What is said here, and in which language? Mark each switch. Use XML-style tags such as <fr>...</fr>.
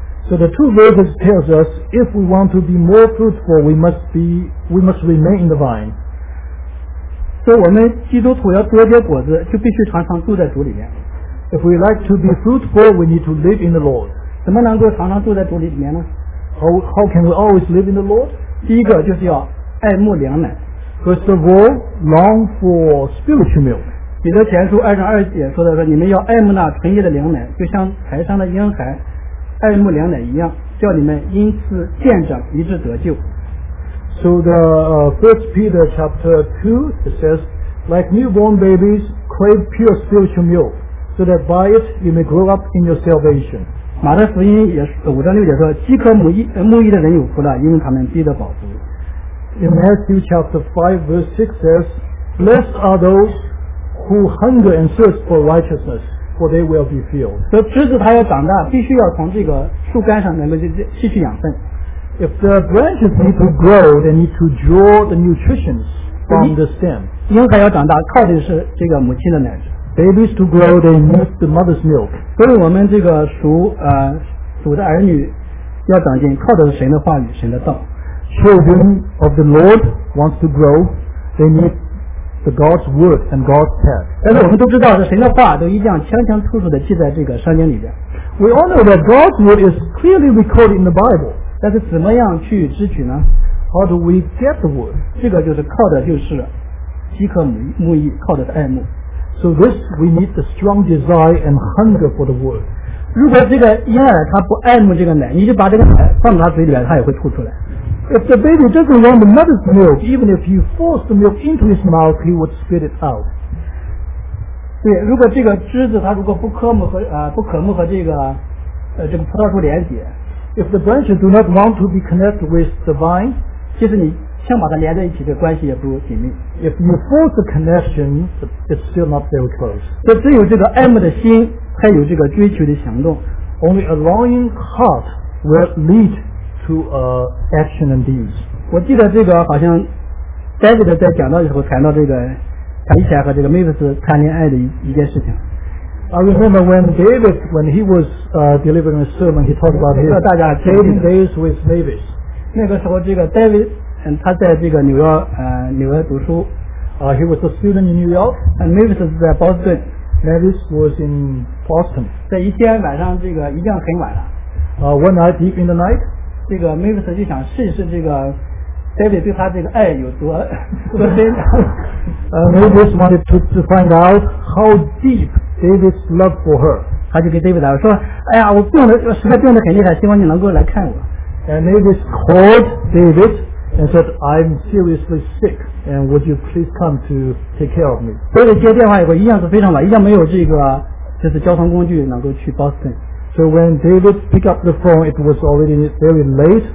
<en>So the two verses tells us if we want to be more fruitful we must remain in the vine.</en> <zh>So 我们基督徒要多结果子，就必须常常住在主里面。</zh> <en>If we like to be fruitful we need to live in the Lord.</en> <zh>怎么能够常常住在主里面呢？</zh> <en>How can we always live in the Lord?</en> <zh>第一个就是要爱慕良奶。</zh> <en>First of all, long for spiritual milk.</en> <zh>彼得前书二章二节说的说，你们要爱慕那纯洁的良奶，就像台上的婴孩爱慕良奶一样，叫你们因此渐长，以致得救。</zh> <en>So the First Peter chapter 2 says, like newborn babies, crave pure spiritual milk, so that by it you may grow up in your salvation.</en> <zh>马太福音也五章六节说，饥渴慕义的人有福了，因为他们必得饱足。</zh> <en>In Matthew chapter 5 verse 6 says, Blessed are those who hunger and thirst for righteousness, for they will be filled.</en> <zh>So, 枝子它要长大，必须要从这个树干上能够吸取养分。</zh> <en>If the branches need to grow, they need to draw the nutrition from the stem.</en> <zh>婴孩要长大，靠的是这个母亲的奶。</zh> <en>Babies to grow, they need the mother's milk.</en> <zh>所以我们这个属的儿女要长进，靠的是神的话语，神的道。</zh> <en>Children of the Lord want to grow, they need the God's word and God's path.</en> <zh>但是我们都知道，是神的话都一定要清清楚楚地记在这个圣经里边。</zh> <en>We all know that God's word is clearly recorded in the Bible.</en> <zh>但是怎么样去支取呢？</zh> <en>How do we get the word?</en> <zh>这个就是靠的就是饥渴慕义，靠的是爱慕。</zh> <en>So this, we need the strong desire and hunger for the word.</en> <zh>如果这个婴儿他不爱慕这个奶，你就把这个奶放到他嘴里面，他也会吐出来。</zh> <en>If the baby doesn't want the mother's milk, even if you force the milk into his mouth, he would spit it out.</en> <zh>对，如果这个枝子它如果不渴慕和这个葡萄树连接</zh> <en>，If the branches do not want to be connected with the vine,</en> <zh>其实你想把它连在一起，这关系也不紧密。</zh> <en>If you force the connection, it's still not very close.</en> <zh>这只有这个爱慕的心，还有这个追求的行动，</zh> <en>only a longing heart will lead to action and deeds.</en> <zh>我记得这个好像 David 在讲到的时候谈到这个谈起来和这个 Mavis 谈恋爱的 一件事情。</zh> <en>I remember when David, when he was delivering a sermon, he talked about his dating days with Mavis.</en> <zh>那个时候这个 David, 他在这个纽约纽约读书。</zh> <en>He was a student in New York. And Mavis was in Boston. Mavis was in Boston.</en> <zh>在一天晚上这个一定很晚了。</zh> <en>One night deep in the night,</en> <zh>这个 Mavis 就想试一试这个 David 对他这个爱有多深。</zh> <en>Mavis wanted to find out how deep David's love for her.</en> <zh>他就给 David 说，哎呀，我病得实在病得很厉害，希望你能够来看我。</zh> <en>And Mavis called David and said, I'm seriously sick, and would you please come to take care of me?</en> <zh>David 接电话以后一样是非常晚，一样没有这个就是交通工具能够去 Boston.</zh> <en>So when David picked up the phone, it was already very late.</en>